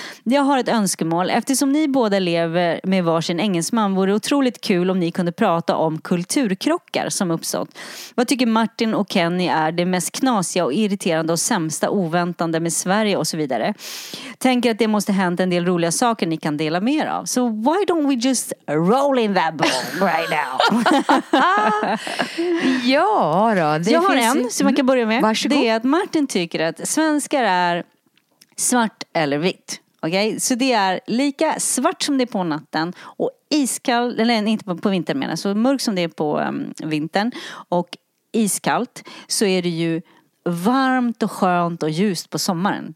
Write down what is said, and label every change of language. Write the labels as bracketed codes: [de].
[sv] Jag har ett önskemål. Eftersom ni båda lever med varsin engelsman, vore det otroligt kul om ni kunde prata om kulturkrockar som uppstått. Vad tycker Martin och Kenny är det mest knasiga och irriterande och sämsta oväntande med Sverige och så vidare? Tänker att det måste hända en del roliga saker ni kan dela mer av. [en] So why don't we just roll in that ball right now? [sv] Ja då. Jag har en som man kan börja med. Varsågod. Det är att Martin tycker att svenskar är svart eller vitt. Okay? Så det är lika svart som det är på natten och iskallt, eller inte på vintern menar, så mörk som det är på vintern och iskallt, så är det ju varmt och skönt och ljust på sommaren.